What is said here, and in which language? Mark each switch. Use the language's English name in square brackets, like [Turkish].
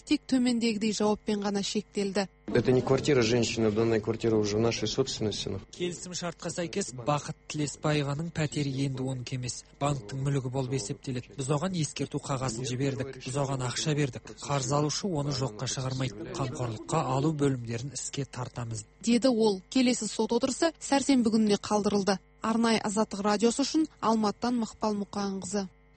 [Kazakh] Тек төмендегідей жауаппен ғана шектелді. келді. [Russian] Это не квартира женщины, данная квартира уже в нашей собственности. [Kazakh] Келісім шартқа сәйкес Бақыт Тілеспаеваның пәтері енді оның емес. Банктің мүлігі болып есептеледі. Біз оған ескерту қағазын жібердік. Біз оған ақша бердік. Қарыз алушы оны жоққа шығармайды. Қамқорлыққа алу бөлімдерін іске тартамыз. Деді ол. Келесі сот отырысы сәрсенбі күніне қалдырылды. Арнайы Азаттық радиосы үшін Алматыдан Мақпал Мұқанқызы.